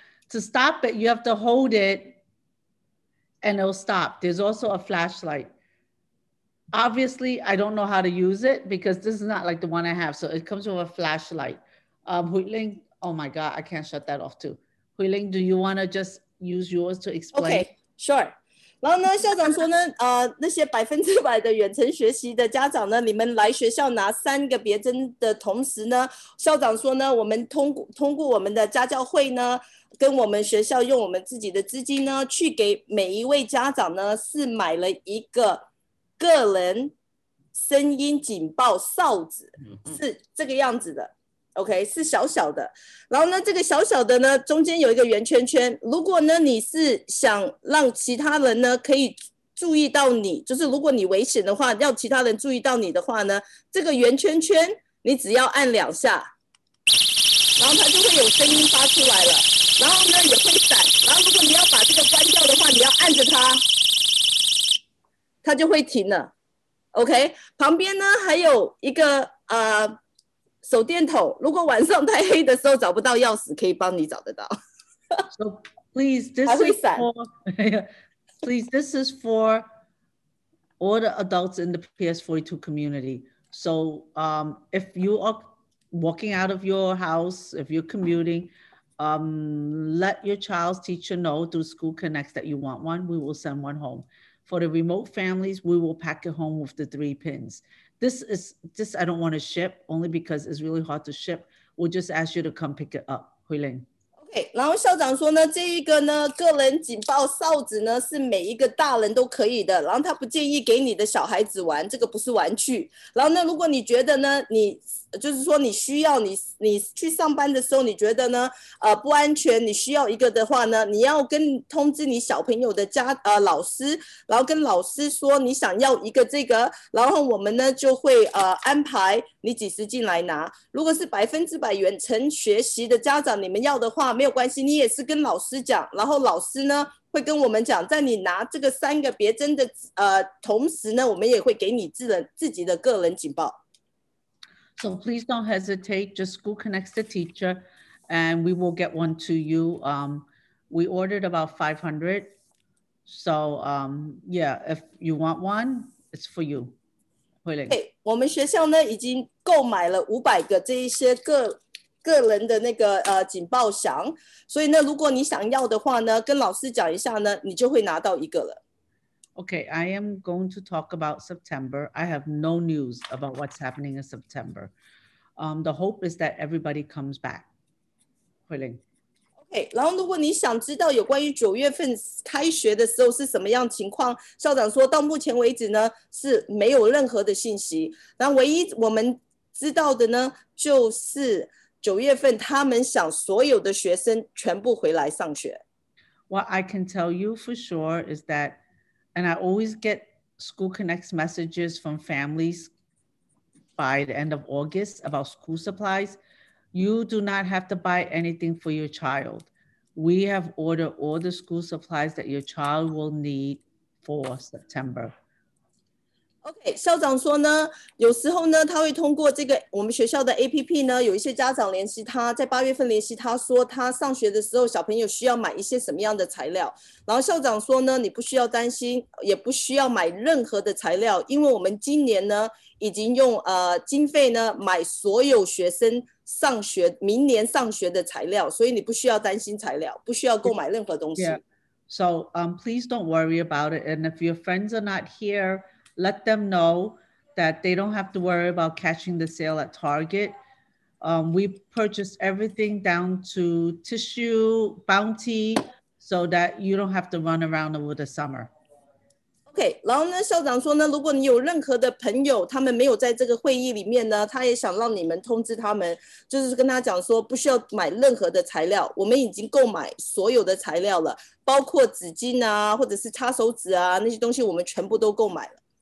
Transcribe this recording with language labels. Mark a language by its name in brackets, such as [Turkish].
[English] To stop it, you have to hold it and it'll stop. There's also a flashlight. Obviously, I don't know how to use it because this is not like the one I have. So it comes with a flashlight. Huiling, oh my God, I can't shut that off too. Huiling, do you wanna just use yours to explain? Okay, sure. [Chinese] 然后呢, 校长说呢, 那些100%的远程学习的家长呢, 你们来学校拿三个别针的同时呢, 校长说呢, 我们通过我们的家教会呢, 跟我们学校用我们自己的资金呢, 去给每一位家长呢, 是买了一个个人声音警报哨子, 是这个样子的。 OK, 是小小的, 然后呢, 这个小小的呢, 中间有一个圆圈圈, 如果呢, 你是想让其他人呢, 可以注意到你, 就是如果你危险的话, 要其他人注意到你的话呢, 这个圆圈圈, 你只要按两下, 然后它就会有声音发出来了, 然后呢, 也会闪, 然后如果你要把这个关掉的话, 你要按着它, 它就会停了, OK, 旁边呢, 还有一个, 手电筒, 如果晚上太黑的时候, 找不到钥匙, 可以帮你找得到。 [English] So please, this is for, please, this is for all the adults in the PS42 community. So if you are walking out of your house, if you're commuting, let your child's teacher know through School Connects that you want one, we will send one home. For the remote families, we will pack it home with the three pins. This I don't want to ship only because it's really hard to ship. We'll just ask you to come pick it up, Huiling. Okay. [Chinese] 然后校长说呢，这一个呢，个人警报哨子呢是每一个大人都可以的，然后他不建议给你的小孩子玩，这个不是玩具。然后呢，如果你觉得呢，你就是说你需要你去上班的时候，你觉得呢不安全，你需要一个的话呢，你要跟通知你小朋友的家老师，然后跟老师说你想要一个这个，然后我们呢就会安排你几时进来拿。如果是百分之百远程学习的家长，你们要的话没有关系，你也是跟老师讲，然后老师呢会跟我们讲，在你拿这个三个别针的同时呢，我们也会给你自己的个人警报。 [English] So please don't hesitate, just school connects the teacher and we will get one to you. We ordered about 500. So yeah, if you want one, it's for you. [Chinese] Okay, 我们学校呢已经购买了500个这一些个人的那个警报响。所以呢如果你想要的话呢跟老师讲一下呢你就会拿到一个了。 [English] Okay, I am going to talk about September. I have no news about what's happening in September. The hope is that everybody comes back. 慧玲。 [Chinese] Okay, 然后如果你想知道有关于九月份开学的时候是什么样情况，校长说到目前为止呢是没有任何的信息。然后唯一我们知道的呢就是九月份他们想所有的学生全部回来上学。 [English] What I can tell you for sure is that, and I always get school connects messages from families by the end of August about school supplies. You do not have to buy anything for your child. We have ordered all the school supplies that your child will need for September. [Chinese] OK, 校长说呢有时候呢他会通过这个我们学校的 APP 呢有一些家长联系他，在八月份联系他说他上学的时候小朋友需要买一些什么样的材料。然后校长说呢你不需要担心也不需要买任何的材料，因为我们今年呢已经用经费呢买所有学生上学明年上学的材料，所以你不需要担心材料，不需要购买任何东西。 [English] Yeah. So, please don't worry about it. And if your friends are not here,Let them know that they don't have to worry about catching the sale at Target. We purchased everything down to tissue, Bounty, so that you don't have to run around over the summer. [Chinese] Okay, 然后呢，校长说呢，如果你有任何的朋友，他们没有在这个会议里面呢，他也想让你们通知他们，就是跟他讲说不需要买任何的材料，我们已经购买所有的材料了，包括纸巾啊，或者是擦手指啊，那些东西我们全部都购买了。